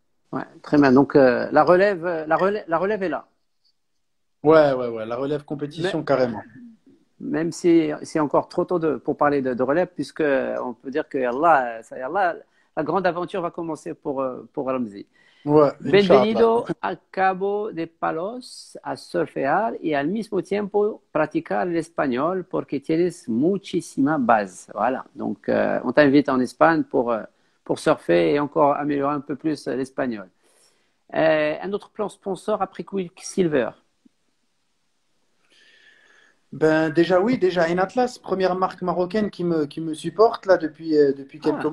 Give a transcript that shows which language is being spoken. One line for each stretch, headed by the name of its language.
French: Ouais, très bien. Donc la relève est là. Ouais, la relève Mais compétition carrément. même si c'est encore trop tôt pour parler de relève, puisque on peut dire que Allah, ça y est, Allah, la grande aventure va commencer pour Ramzi. Ouais,
Spanish: Bienvenido
Arabic: Inch'Allah.
Spanish: al Cabo de Palos a surfear y al mismo tiempo practicar el español porque tienes muchísima base.
French: Voilà. Donc, on t'invite en Espagne pour surfer et encore améliorer un peu plus l'espagnol. Un autre plan sponsor après Quicksilver. Ben déjà oui, déjà Enatlas, première marque marocaine qui me supporte là depuis quelques